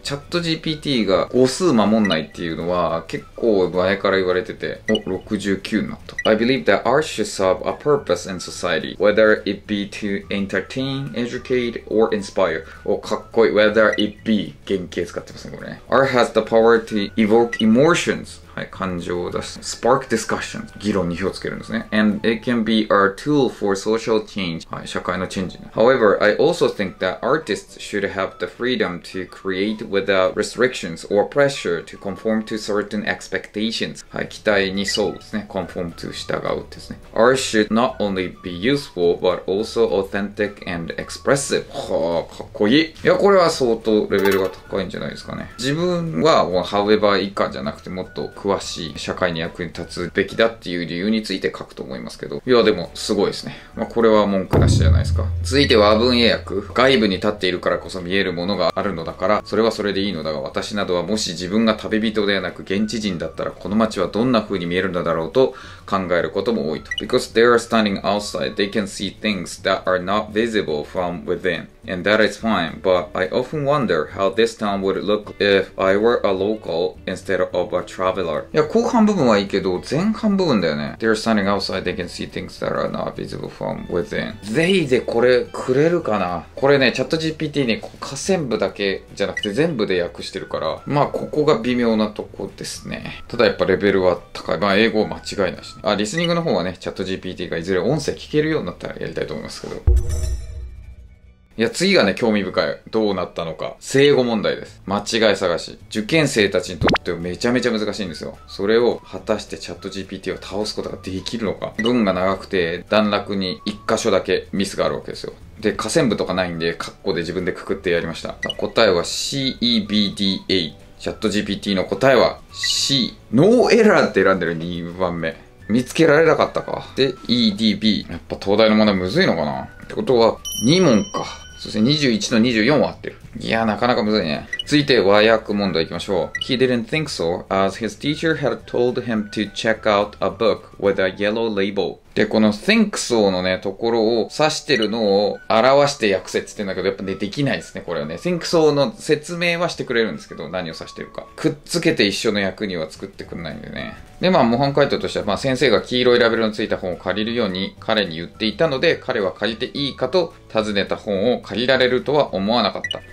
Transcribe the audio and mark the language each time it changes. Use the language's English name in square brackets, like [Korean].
[Japanese] チャット GPT が語数守んないっていうのは結構前から言われてて、お、69になった。 [English] I believe that art should serve a purpose in society, whether it be to entertain, educate, or inspire. [Japanese] お、かっこいい。 whether it be、原型使ってますね、これね。 [English] Art has the power to evoke emotions. [Japanese] はい、感情を出す。 [English] Spark discussion. [Japanese] 議論に火をつけるんですね。 [English] And it can be a tool for social change. [Japanese] はい、社会のチェンジ。 [English] However, I also think that artists should have the freedom to create without restrictions or pressure to conform to certain expectations. [Japanese] はい、期待に沿うですね。 Conform to 従うですね。 [English] Art should not only be useful, but also authentic and expressive. [Japanese] はぁ、かっこいい。いや、これは相当レベルレベルが高いんじゃないですかね。自分は [English] however [Japanese] 以下じゃなくて、もっと詳しい、社会に役に立つべきだっていう理由について書くと思いますけど、いやでもすごいですね。まあ、これは文句なしじゃないですか。続いて和文英訳、外部に立っているからこそ見えるものがあるのだから、それはそれでいいのだが、私などはもし自分が旅人ではなく現地人だったら、この街はどんな風に見えるのだろうと考えることも多いと。 [English] Because they are standing outside, they can see things that are not visible from within. And that is fine, but I often wonder how this town would look if I were a local instead of a traveler. [Japanese] いや、後半部分はいいけど、前半部分だよね。 [English] They are standing outside, they can see things that are not visible from within. [Japanese] They でこれくれるかな？これね、チャット GPT に下線部だけじゃなくて全部で訳してるから、まあここが微妙なとこですね。ただやっぱレベルは高い。まあ英語間違いなし、ね。あ、リスニングの方はね、チャット GPT がいずれ音声聞けるようになったらやりたいと思いますけど。いや、次がね、興味深い。どうなったのか。正誤問題です。間違い探し。受験生たちにとってはめちゃめちゃ難しいんですよ。それを果たしてチャット GPT を倒すことができるのか。文が長くて、段落に一箇所だけミスがあるわけですよ。で、下線部とかないんで、カッコで自分でくくってやりました。答えは CEBDA。チャット GPT の答えは C。ノーエラーって選んでる2番目。見つけられなかったか。で、EDB。やっぱ東大の問題むずいのかな。ってことは、2問か。そして21の24は合ってる。いや、なかなかむずいね。続いて和訳問題いきましょう。 [English] He didn't think so, as his teacher had told him to check out a book with a yellow label. [Japanese] で、この think so のね、ところを指してるのを表して訳せって言ってんだけど、やっぱね、できないですね、これはね。 think so の説明はしてくれるんですけど、何を指してるか。くっつけて一緒の訳には作ってくんないんでね。で、まあ、模範解答としては、まあ、先生が黄色いラベルのついた本を借りるように彼に言っていたので、彼は借りていいかと尋ねた本を借りられるとは思わなかった。